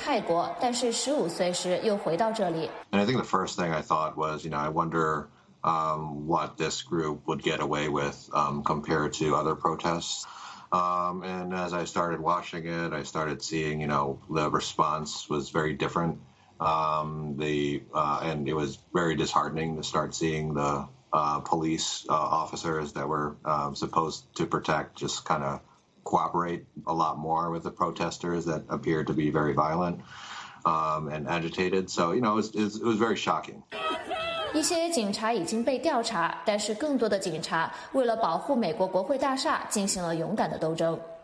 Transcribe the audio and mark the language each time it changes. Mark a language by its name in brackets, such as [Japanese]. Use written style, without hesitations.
[Chinese] 他出生于美国，九岁时移居泰国，但是十五岁时又回到这里。 [English] And I think the first thing I thought was, you know, I wonder what this group would get away with compared to other protests. And as I started watching it, I started seeing, you know, the response was very different. And it was very disheartening to start seeing the police officers that were supposed to protect just kind of cooperate a lot more with the protesters that appeared to be very violent and agitated. So, you know, it was very shocking. [Chinese] 一些警察已经被调查，但是更多的警察为了保护美国国会大厦进行了勇敢的斗争。